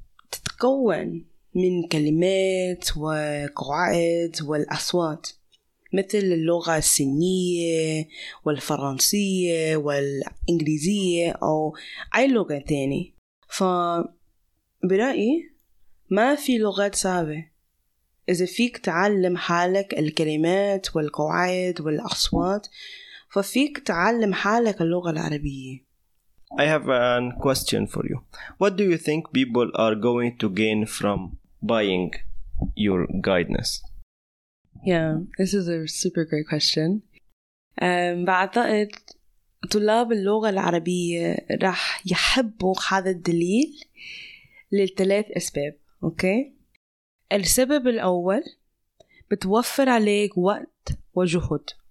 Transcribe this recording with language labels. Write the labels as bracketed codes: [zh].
[ar] تتكون من كلمات وقواعد والأصوات مثل اللغة الصينية والفرنسية والإنجليزية أو أي لغة تاني فبرأيي ما في لغات صعبة إذا فيك تعلم حالك الكلمات والقواعد والأصوات ففيك تعلم حالك اللغة العربية [en] I have a question for you What do you think people are going to gain from buying your guidance? Yeah, this is a super great question. [ar] بعتقد طلاب اللغة العربية راح يحبوا هذا الدليل للثلاث أسباب. [en] Okay. [ar] السبب الأول بتوفر عليك وقت وجهد.